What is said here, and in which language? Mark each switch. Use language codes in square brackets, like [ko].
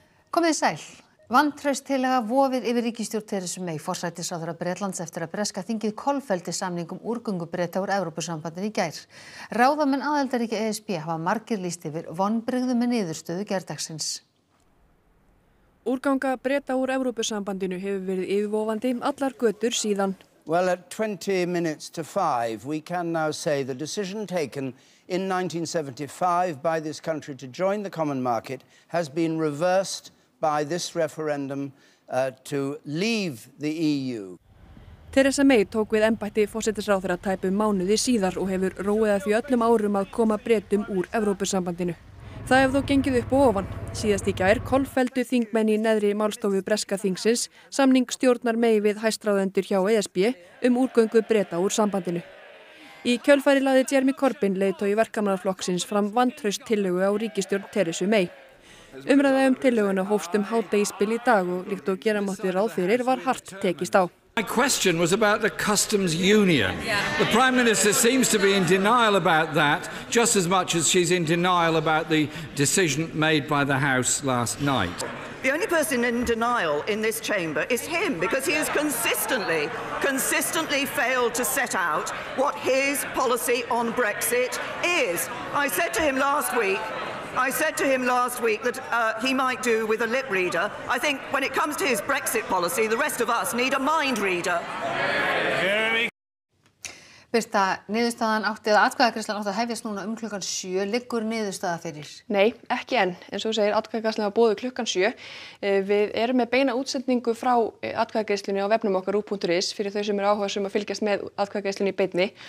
[is] Komið sæl. Vantrauststillaga vofir yfir ríkisstjórn Theresu May, forsætisráðherra Bretlands eftir að breska þingið kolfelldi samning úrgöngu Breta úr Evrópusambandinu í gær. Ráðamenn aðildarríkja ESB hafa margir lýst yfir vonbrigðum með niðurstöðu gærdagsins. Úrganga Breta úr Evrópusambandinu hefur verið yfirvofandi allar götur síðan. [en] Well, at 5:20, we can now say the decision taken in 1975 by this country to join the common market has been reversed by this referendum to leave the EU. [is] Theresa May tók við embætti forsætisráðherra tæpum mánuði síðar og hefur róið að því öllum árum að koma Bretum úr Evrópusambandinu. Það hefur þó gengið upp og ofan. Síðast í gær kolfelldu þingmenn í neðri málstofu breska þingsins samning stjórnar May við hæstráðendur hjá ESB úrgöngu Breta úr sambandinu. Í kjölfæri lagði Jeremy Corbyn leiðtogi verkamannaflokksins fram vantrauststillögu á ríkisstjórn Theresu May. Umræða tillöguna hófst hádegisbil í dag og líkt og gera mátti ráð fyrir var hart tekist á. [en] My question was about the customs union. The Prime Minister seems to be in denial about that just as much as she's in denial about the decision made by the House last night. The only person in denial in this chamber is him because he has consistently failed to set out what his policy on Brexit is. I said to him last week that he might do with a lip reader. I think when it comes to his Brexit policy, the rest of us need a mind reader. [is] Birta, niðurstaðan átti eða atkvæðagreiðslan átti að hefjast núna klukkan 7, liggur niðurstaða fyrir? Nei, ekki enn. Eins og þú segir, atkvæðagreiðslan var boðið klukkan 7. Við erum með beina útsendingu frá atkvæðagreiðslunni á vefnum okkar rúf.is fyrir þau sem eru áhuga sem að fylgjast með atkvæðagreiðslunni í beinni.